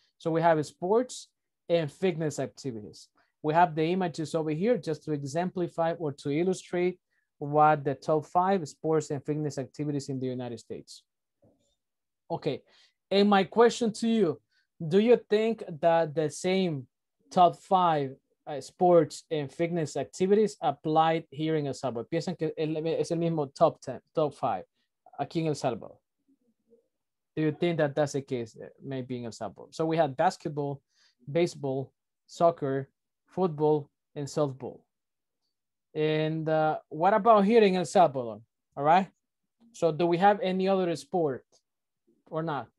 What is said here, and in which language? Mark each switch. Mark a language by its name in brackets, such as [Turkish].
[English] So we have sports and fitness activities. We have the images over here just to exemplify or to illustrate what the top 5 sports and fitness activities in the United States. Okay, and my question to you, do you think that the same top 5 sports and fitness activities applied here in El Salvador? [Spanish] ¿Piensan que es el mismo top 10, top 5 aquí en El Salvador? [English] Do you think that that's the case maybe in El Salvador? So we had basketball, baseball, soccer, football, and softball. And what about here in El Salvador? All right. So do we have any other sport or not?